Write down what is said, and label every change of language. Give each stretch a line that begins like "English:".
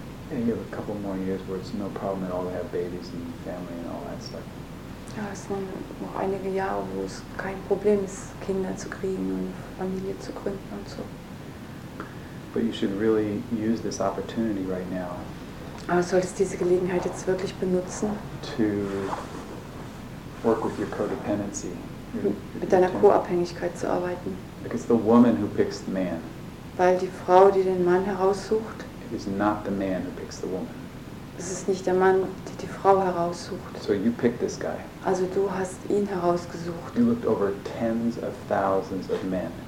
English: Yeah, you have a couple more years where it's no problem at all to have babies and family and all that stuff.
German: Ja, es sind noch einige Jahre, wo es kein Problem ist, Kinder zu kriegen und Familie zu gründen und so.
English: But you should really use this opportunity right now.
German: Aber du solltest diese Gelegenheit jetzt wirklich benutzen.
English: To work with your codependency.
German: Mit deiner Co-Abhängigkeit zu arbeiten.
English: Because the woman who picks the man.
German: Weil die Frau, die den Mann heraussucht.
English: It is not the man who picks the woman.
German: Es ist nicht der Mann, der die Frau heraussucht.
English: So you picked this guy.
German: Also du hast ihn herausgesucht.
English: You looked over tens of thousands of men.